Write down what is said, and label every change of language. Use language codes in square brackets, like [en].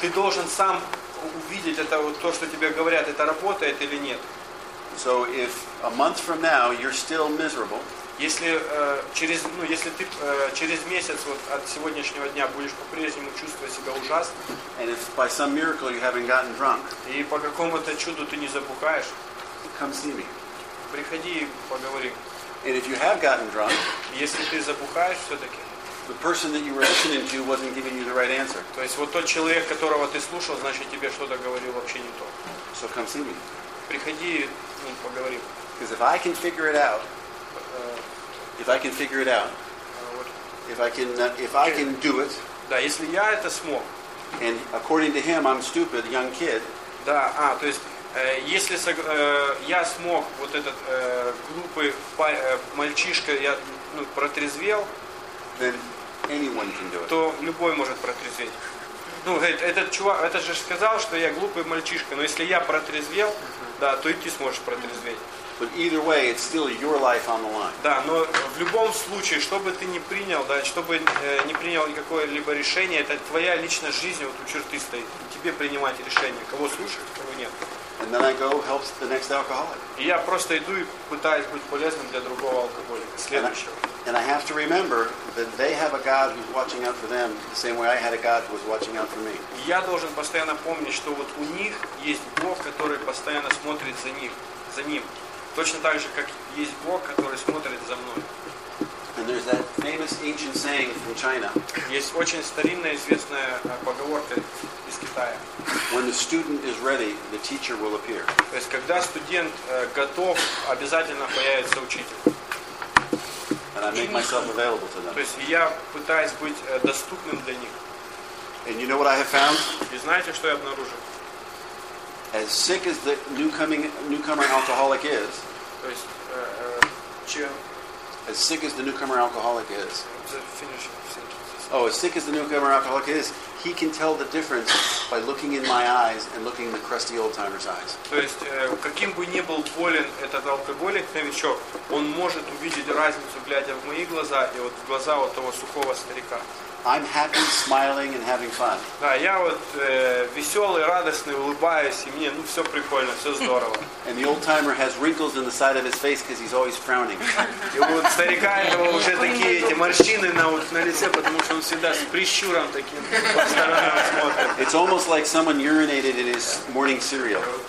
[ru] Ты должен сам увидеть это вот то, что тебе говорят, это работает или нет. [en] So if a month from now you're still miserable. [ru] Если через ну если ты через месяц вот от сегодняшнего дня будешь по-прежнему чувствовать себя ужасно. [en] And if by some miracle you haven't gotten drunk. [ru] И по какому-то чуду ты не запухаешь. [en] Come see me. [ru] Приходи и поговори. [en] And if you have gotten drunk. [ru] Если ты запухаешь все-таки. [en] The person that you were listening to wasn't giving you the right answer. [ru] То есть вот тот человек, которого ты слушал, значит тебе что-то говорил вообще не то. [en] So come see me. [ru] Приходи и ну, поговори. [en] Because if I can figure it out. If I can figure it out. If I can do it. [ru] Да, если я это смог. [en] And according to him, I'm stupid, young kid. [ru] Да, то есть если я смог вот этот глупый мальчишка, я ну, протрезвел. [en] Then anyone can do it. [ru] То любой может протрезветь. Ну, этот чувак, это же сказал, что я глупый мальчишка, но если я протрезвел, да, то и ты сможешь протрезветь. [en] But either way, it's still your life on the line. [ru] Да, но в любом случае, что бы ты ни принял, да, что бы не принял какое-либо решение, это твоя личная жизнь вот у черты стоит. Тебе принимать решение, кого слушать, кого нет. [en] And then I go help the next alcoholic. [ru] И я просто иду и пытаюсь быть полезным для другого алкоголика, следующего. [en] And I have to remember that they have a God who's watching out for them the same way I had a God who was watching out for me. [ru] Я должен постоянно помнить, что вот у них есть Бог, который постоянно смотрит за них, за ним. Точно так же, как есть Бог, который смотрит за мной. [en] And there's that famous ancient saying from China. [ru] Есть очень старинная известная поговорка из Китая. [en] When the student is ready, the teacher will appear. [ru] То есть, когда студент готов, обязательно появится учитель. [en] And I make myself available to them. [ru] То есть, я пытаюсь быть доступным для них. [en] And you know what I have found? [ru] И знаете, что я обнаружил? [en] As sick as the newcomer alcoholic is, [ru] то есть, [en] as sick as the newcomer alcoholic is, finish sentence. Oh, as sick as the newcomer alcoholic is, he can tell the difference by looking in my eyes and looking in the crusty old timer's eyes. [ru] То есть, каким бы ни был болен этот алкоголик, новичок, он может увидеть разницу, глядя в мои глаза и вот в глаза вот того сухого старика. [en] I'm happy, smiling, and having fun. [ru] Да, я вот веселый, радостный, улыбаюсь, и мне ну все прикольно, все здорово. [en] And the old timer has wrinkles in the side of his face because he's always frowning. [ru] И вот старика этого уже такие эти морщины на вот на лице, потому что он всегда с прищуром таким по сторонам смотрит. [en] It's almost like someone urinated in his morning cereal.